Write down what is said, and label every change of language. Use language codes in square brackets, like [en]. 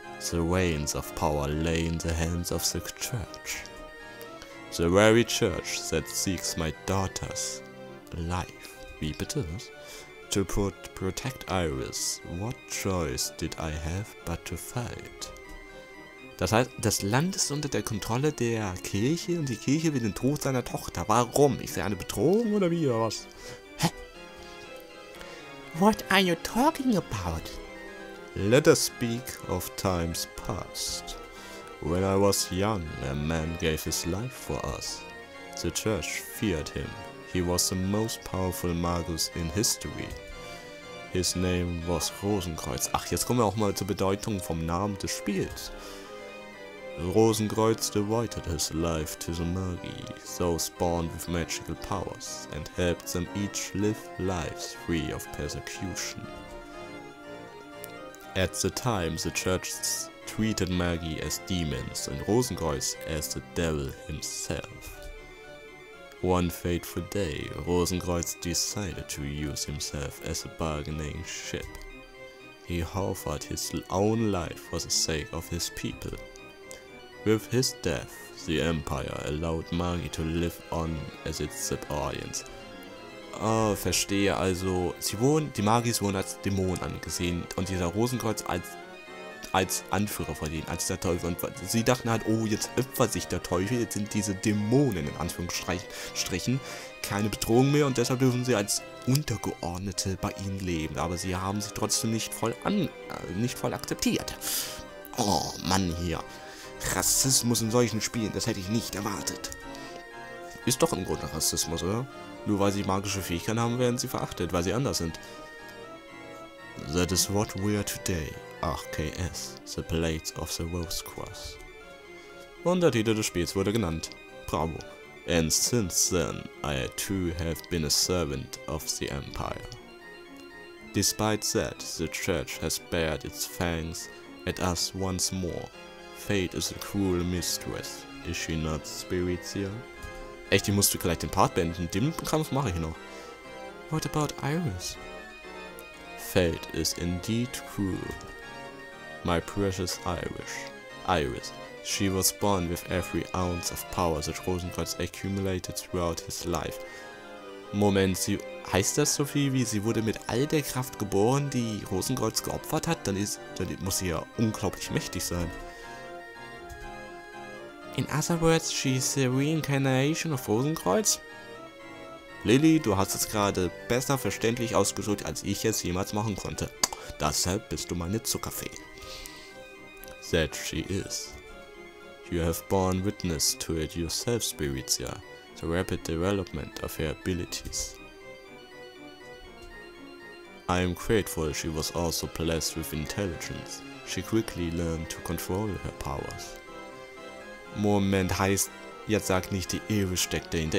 [en] The reins of power lay in the hands of the church. The very church that seeks my daughter's life. [de] Wie bitte? [en] To protect Iris, what choice did I have but to fight? [de] Das heißt, das Land ist unter der Kontrolle der Kirche und die Kirche will den Tod seiner Tochter. Warum? Ist er eine Bedrohung oder wie oder was? [en] What are you talking about? Let us speak of times past. When I was young, a man gave his life for us. The church feared him. He was the most powerful magus in history. His name was Rosenkreuz. [de] Ach, jetzt kommen wir auch mal zur Bedeutung vom Namen des Spiels. [en] Rosenkreuz devoted his life to the Magi, those born with magical powers, and helped them each live lives free of persecution. At the time, the church treated Magi as demons and Rosenkreuz as the devil himself. One fateful day, Rosenkreuz decided to use himself as a bargaining chip. He offered his own life for the sake of his people. With his death, the Empire allowed Magi to live on as its subordinates. [de] Oh, verstehe. Also, die Magis wurden als Dämonen angesehen und dieser Rosenkreuz als Anführer von denen, als der Teufel. Und sie dachten halt, oh, jetzt öffnet sich der Teufel, jetzt sind diese Dämonen in Anführungsstrichen keine Bedrohung mehr und deshalb dürfen sie als Untergeordnete bei ihnen leben. Aber sie haben sich trotzdem nicht voll akzeptiert. Oh, Mann hier. Rassismus in solchen Spielen, das hätte ich nicht erwartet. Ist doch im Grunde Rassismus, oder? Nur weil sie magische Fähigkeiten haben, werden sie verachtet, weil sie anders sind. [en] That is what we are today, RKS, the Blades of the Rose Cross. [de] Untertitel des Spiels wurde genannt. Bravo. [en] And since then, I too have been a servant of the Empire. Despite that, the Church has bared its fangs at us once more. Fate is a cruel mistress, is she not, Spirizio? [de] Echt, die musst du gleich den Part beenden. Den Kampf mache ich noch. [en] What about Iris? Fate is indeed cruel. My precious Irish. Iris. She was born with every ounce of power that Rosenkreuz accumulated throughout his life. [de] Moment, sie heißt das so viel wie, sie wurde mit all der Kraft geboren, die Rosenkreuz geopfert hat? Dann muss sie ja unglaublich mächtig sein. [en] In other words, she is the reincarnation of Rosenkreuz? [de] Lily, du hast es gerade besser verständlich ausgedrückt, als ich es jemals machen konnte. Deshalb bist du meine Zuckerfee. [en] That she is. You have borne witness to it yourself, Spirizia. The rapid development of her abilities. I am grateful she was also blessed with intelligence. She quickly learned to control her powers. [de] Moment, heißt, jetzt sag nicht, die Ewe steckt dahinter.